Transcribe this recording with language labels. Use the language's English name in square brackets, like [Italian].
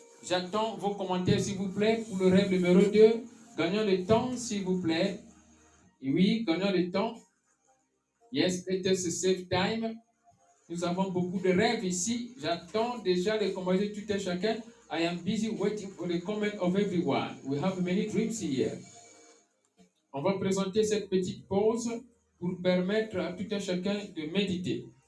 [French] J'attends vos commentaires, s'il vous plaît, pour le rêve numéro 2. Gagnons le temps, s'il vous plaît. Oui, gagnons le temps. [English] Yes, let us save time. [French] Nous avons beaucoup de rêves ici. J'attends déjà les commentaires de tout un chacun. [English] I am busy waiting for the comment of everyone. We have many dreams here. [French] On va présenter cette petite pause pour permettre à tout un chacun de méditer.